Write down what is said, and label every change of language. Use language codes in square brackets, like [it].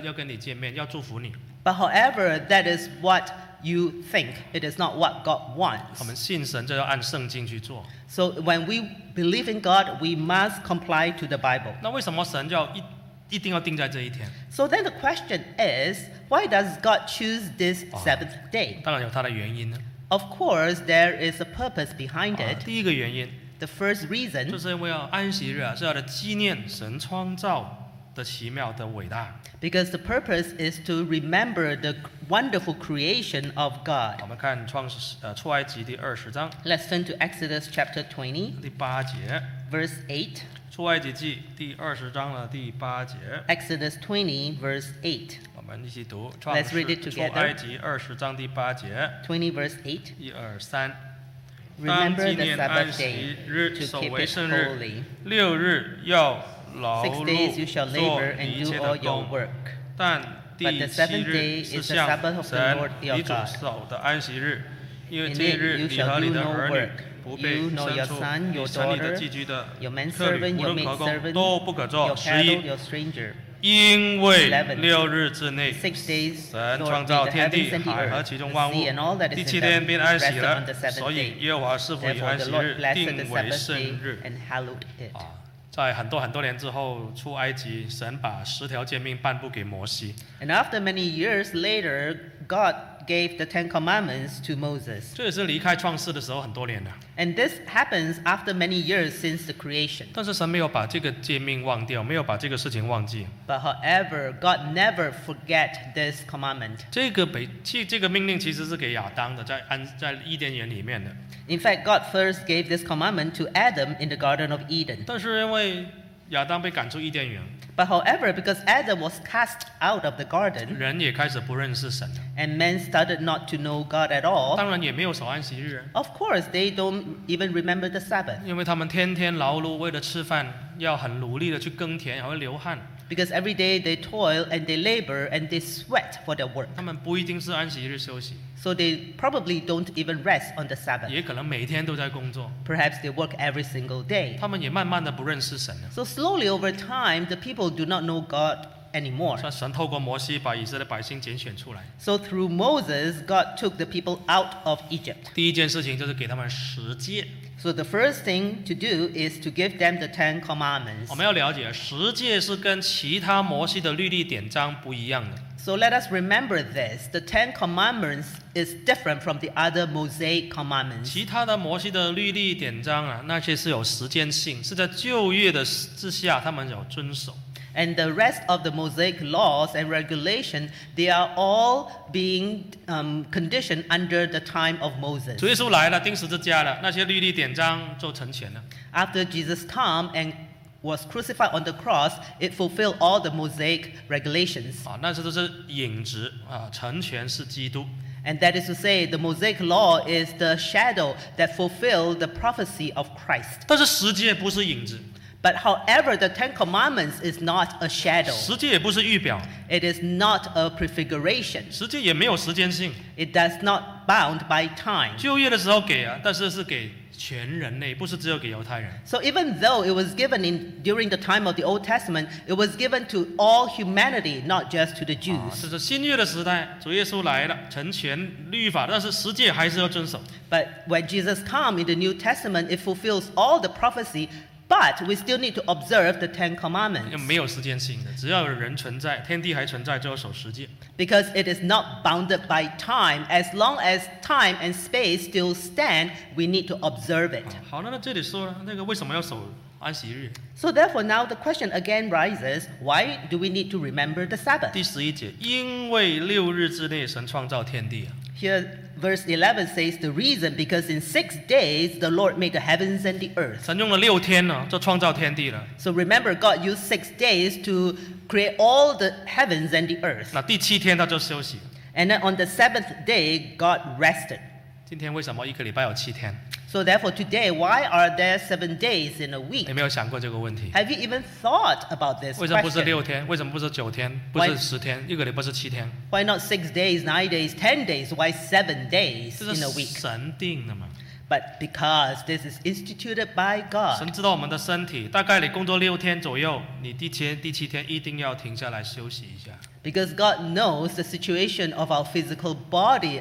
[zh] 那是你讲的，不是神讲的。神说这一天是我的，我要跟你这一天约在一起，要跟你见面，要祝福你。 [en] But however, that is what you think. It is not what God wants. [zh] 我们信神就要按圣经去做。 [en] So when we believe in God, we must comply to the Bible. [zh] 那为什么神就要一定要定在这一天? [en] So then the question is, why does God choose this seventh day? [zh] 当然有它的原因呢。 [en] Of course, there is a purpose behind it. [zh] 第一个原因, [en] the first reason, [zh] 就是因为要安息日啊, 是要来纪念神创造的奇妙的伟大。 [en] Because the purpose is to remember the wonderful creation of God. [zh] 我们看创,出埃及第20章, [en] Let's turn to Exodus chapter 20, [zh] 第八节, [en] verse 8. [zh] 出埃及记第20章的第8节 [en] Exodus 20 verse 8 [zh] 我们一起读 [en] Let's read it together [zh] 出埃及20章第8节 [en] 20 verse 8 1、2、3 Remember the Sabbath day to keep it holy 6 days you shall labor and do all your work But the seventh day is the Sabbath of the Lord your God In it you shall do no work [zh] 仆婢, [en] you nor your son, your daughter, [zh] 你神里的寄居的, [en] your manservant, your maidservant, [zh] 都不可做, [en] your cattle, your stranger. [zh] 因为六日之内, [en] 11, 6 days, [zh] 神创造天地, [en] the heaven and the sea, and all that is in them, rested on the seventh day. Therefore the Lord blessed the seventh day and hallowed it. [zh] 在很多年之后出埃及, 神把十条诫命颁布给摩西。 [en] And after many years later, God gave the Ten Commandments to Moses. [zh] 这也是离开创世的时候很多年了。 [en] And this happens after many years since the creation. [zh] 但是神没有把这个诫命忘掉, 没有把这个事情忘记。 [en] But however, God never forget this commandment. [zh] 这个命令其实是给亚当的, 在伊甸园里面的。 [en] In fact, God first gave this commandment to Adam in the Garden of Eden. [zh] 但是因为亚当被赶出伊甸园, [en] but however, because Adam was cast out of the garden, [zh] 人也开始不认识神, [en] and men started not to know God at all, [zh] 当然也没有守安息日, [en] of course, they don't even remember the Sabbath. [zh] 因为他们天天劳碌, 为了吃饭, 要很努力地去耕田, 还会流汗, [en] because every day they toil and they labor and they sweat for their work. [zh] 他们不一定是安息日休息, [en] so they probably don't even rest on the Sabbath. [zh] 也可能每天都在工作, [en] perhaps they work every single day. [zh] 他们也慢慢地不认识神了。 [en] So slowly over time, the people do not know God anymore. [zh] 神透过摩西把以色列百姓拣选出来。 [en] So through Moses, God took the people out of Egypt. [zh] 第一件事情就是给他们十诫。 [en] So the first thing to do is to give them the Ten Commandments. [zh] 我们要了解, 十诫是跟其他摩西的律例典章不一样的。 [en] So let us remember this. The Ten Commandments is different from the other Mosaic Commandments. [zh] 其他的摩西的律例典章啊, 那些是有时间性, 是在旧约的之下, 他们有遵守。 [en] And the rest of the Mosaic laws and regulations, they are all being conditioned under the time of Moses. [zh] 主耶稣来了, 钉十字架了, 那些律例典章就成全了。 [en] After Jesus came and was crucified on the cross, it fulfilled all the Mosaic regulations. [zh] 啊, 那些都是影子, 啊, 成全是基督。 [en] And that is to say, the Mosaic law is the shadow that fulfilled the prophecy of Christ. [zh] 但是十诫不是影子。 [en] But however, the Ten Commandments is not a shadow. [zh] 十诫也不是预表。 [en] It is not a prefiguration. [zh] 十诫也没有时间性。 [en] It does not bound by time. [zh] 旧约的时候给啊, 但是是给全人类，不是只有给犹太人。 [en] So even though it was given in during the time of the Old Testament, it was given to all humanity, not just to the Jews. [zh] 这是新约的时代, 主耶稣来了, 成全律法, 但是十诫还是要遵守。 [en] But when Jesus came in the New Testament, it fulfills all the prophecy, but we still need to observe the Ten Commandments. [zh] 没有时间性的, 只要人存在, 天地还存在, 就要守十诫。 [en] Because it is not bounded by time. As long as time and space still stand, we need to observe it. [zh] 好, 那这里说了, 那个为什么要守安息日? [en] So therefore, now the question again rises, why do we need to remember the Sabbath? [zh] 第十一节, 因为六日之内神创造天地。 [en] Here, verse 11 says the reason because in 6 days the Lord made the heavens and the earth. [zh] 神用了六天呢，就创造天地了。 [en] So remember, God used 6 days to create all the heavens and the earth. [zh] 那第七天他就休息。And [en] then on the seventh day, God rested. [zh] 今天为什么一个礼拜有七天？ [en] So therefore, today, why are there 7 days in a week? [zh] 你没有想过这个问题。 [en] Have you even thought about this question? [zh] 为什么不是六天?为什么不是九天?不是十天?一个礼拜是七天? [en] Why not 6 days, 9 days, 10 days? Why 7 days in a week? [zh] 这是神定的嘛。 [en] But because this is instituted by God. [zh] 神知道我们的身体, 大概你工作六天左右, 你第七天一定要停下来休息一下。 [en] Because God knows the situation of our physical body.